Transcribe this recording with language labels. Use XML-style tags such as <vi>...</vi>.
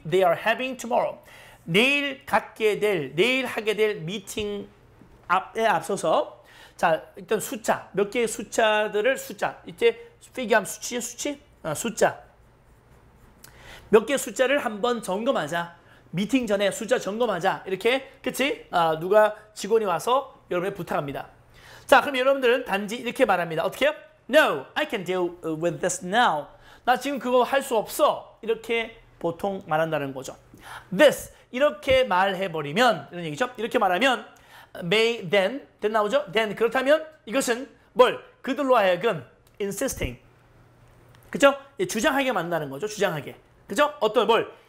<en>They are having tomorrow</en> <ko>내일 하게 될 미팅 앞에 앞서서 자 일단 숫자 몇 개의 숫자들을 숫자 이제 figure 하면 수치죠 수치 숫자 몇 개의 숫자를 한번 점검하자. 미팅 전에 숫자 점검하자. 이렇게, 그치? 누가 직원이 와서 여러분에게 부탁합니다. 자, 그럼 여러분들은 단지 이렇게 말합니다. 어떻게 해요?</ko> <en>No, I can deal with this now.</en> <ko>나 지금 그거 할 수 없어. 이렇게 보통 말한다는 거죠. This, 이렇게 말해버리면, 이런 얘기죠? 이렇게 말하면, may, then 나오죠? Then, 그렇다면 이것은 뭘? 그들로 하여금 insisting. 그죠? 주장하게 만드는 거죠. 주장하게. 그죠? 어떤 뭘?</ko>